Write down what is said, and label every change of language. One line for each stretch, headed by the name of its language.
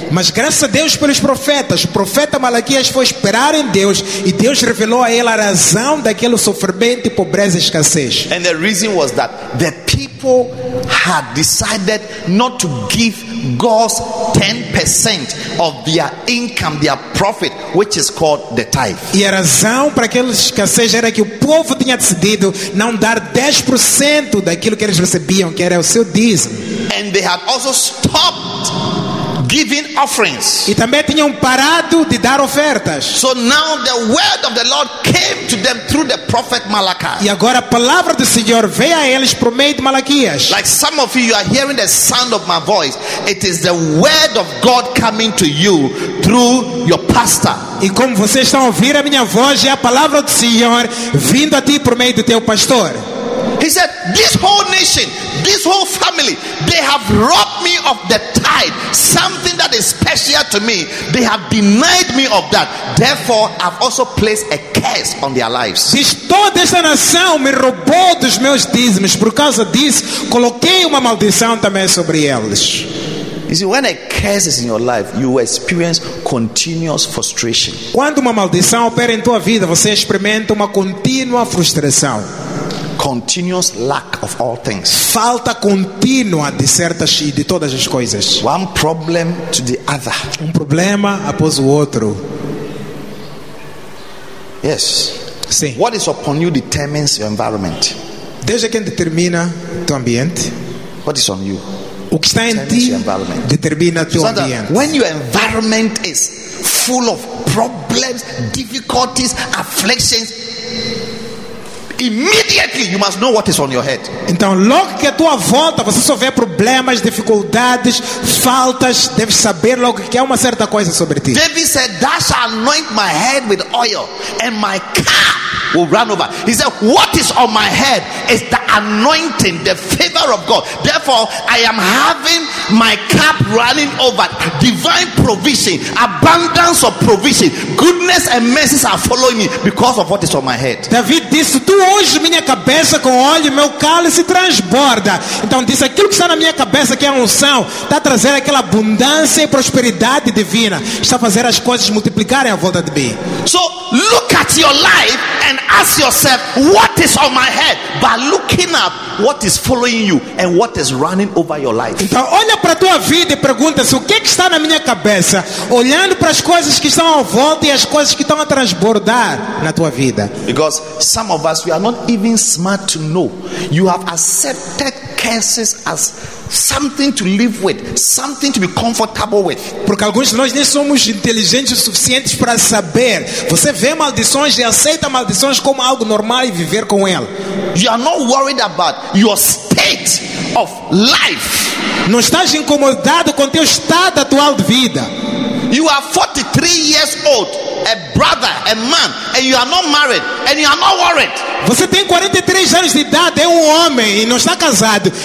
Portuguese: Mas graças a Deus pelos profetas, o profeta Malaquias foi esperar em Deus e Deus revelou a ele a razão daquele sofrimento, pobreza e escassez.
English: And the reason was that the people had decided not to give God's 10% of their income, their profit, which is called the tithe.
Portuguese: E a razão para aquela escassez era que o povo tinha decidido não dar 10% daquilo que eles recebiam, que era o seu dízimo.
English: And they had also stopped giving offerings.
Portuguese: E também tinham parado de dar ofertas.
English: So now the word of the Lord came to them through the prophet Malachi.
Portuguese: E agora a palavra do Senhor veio a eles por meio de Malaquias.
English: Like some of you are hearing the sound of my voice, it is the word of God coming to you through your pastor.
Portuguese: E como vocês estão a ouvir a minha voz, é a palavra do Senhor vindo a ti por meio do teu pastor.
English: He said, this whole nation, this whole family, they have robbed me of the tithe, something that is special to me. They have denied me of that. Therefore, I've also placed a curse on their lives.
Portuguese: Diz, toda esta nação me roubou dos meus dízimos. Por causa disso, coloquei uma maldição também sobre eles.
English: You see, when a curse is in your life, you experience continuous frustration.
Portuguese: Quando uma maldição opera em tua vida, você experimenta uma contínua frustração.
English: Continuous lack of all things.
Portuguese: Falta contínua de certas e de todas as coisas.
English: One problem to the other.
Portuguese: Um problema após o outro.
English: Yes.
Portuguese: Sim.
English: What is upon you determines your environment.
Portuguese: Desde quem determina teu ambiente?
English: What is on you?
Portuguese: O que está em ti determina teu ambiente.
English: When your environment is full of problems, difficulties, afflictions, immediately you must know what is on your head.
Portuguese: Então, logo que a tua volta você só vê problemas, dificuldades, faltas, deve saber logo que há uma certa coisa sobre ti.
English: David said, "Thou shalt anoint my head with oil, and my car will run over." He said, "What is on my head is the anointing, the favor of God. Therefore, I am having my cup running over. Divine provision, abundance of provision, goodness and mercies are following me because of what is on my head."
Portuguese: David disse, "Tu unges minha cabeça com óleo, meu cálice transborda." Então disse, aquilo que está na minha cabeça, que é a unção, está a trazer aquela abundância e prosperidade divina. Está a fazer as coisas multiplicarem à volta de mim.
English: So, look at your life and ask yourself, what is on my head? By looking up, what is following you and what is running over your life.
Portuguese: Então olha para a tua vida e pergunta-se, o que é que está na minha cabeça? Olhando para as coisas que estão à volta e as coisas que estão a transbordar na tua vida.
English: Because some of us, we are not even smart to know. You have accepted curses as something to live with, something to be comfortable with.
Portuguese: Porque alguns de nós nem somos inteligentes o suficiente para saber. Você vê maldições e aceita maldições como algo normal e viver com ela.
English: You are not worried about your state of life.
Portuguese: Não estás incomodado com teu estado atual de vida.
English: You are 43 years old, a brother, a man, and you are not married, and you are not worried.
Portuguese: Você tem 43 anos de idade, é um homem e não está casado.